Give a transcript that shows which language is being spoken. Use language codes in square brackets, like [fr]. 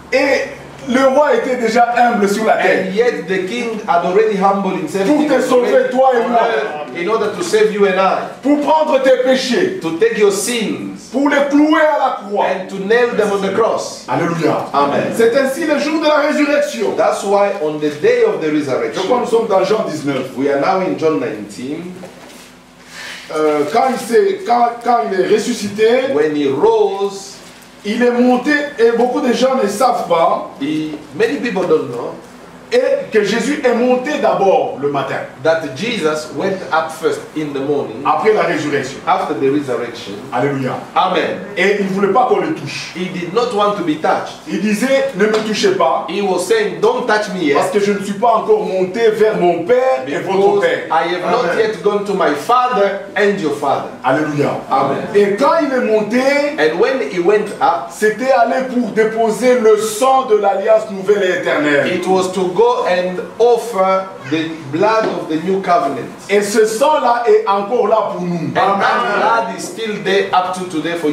[fr] Et le roi était déjà humble sur la terre. [en] And yet the king had already humbled himself. [fr] Pour te sauver toi et moi. [en] In order to save you and I. [fr] Pour prendre tes péchés. [en] To take your sins. [fr] Pour les clouer à la croix. [en] And to nail them on the cross. Alléluia. Amen. [fr] C'est ainsi le jour de la résurrection. [en] That's why on the day of the resurrection. [fr] Je crois que nous sommes dans Jean 19. [en] We are now in John 19. [fr] Quand il est ressuscité. [en] When he rose. [fr] Il est monté et beaucoup de gens ne savent pas. [en] Many people don't know. [fr] Et que Jésus est monté d'abord le matin. [en] That Jesus went up first in the morning. [fr] Après la résurrection. [en] After the resurrection. Alléluia. Amen. [fr] Et il ne voulait pas qu'on le touche. [en] He did not want to be touched. [fr] Il disait, ne me touchez pas. [en] He was saying, don't touch me yet. [fr] Parce que je ne suis pas encore monté vers mon Père [en] because [fr] et votre Père. [en] I have Amen. Not yet gone to my Father and your Father. Alléluia. Amen. [fr] Et quand il est monté, [en] and when he went up, [fr] c'était aller pour déposer le sang de l'alliance nouvelle et éternelle. [en] It was to go and offer the blood of the new covenant. [fr] Et ce sang-là est encore là pour nous. [en] And that blood is still there up to today for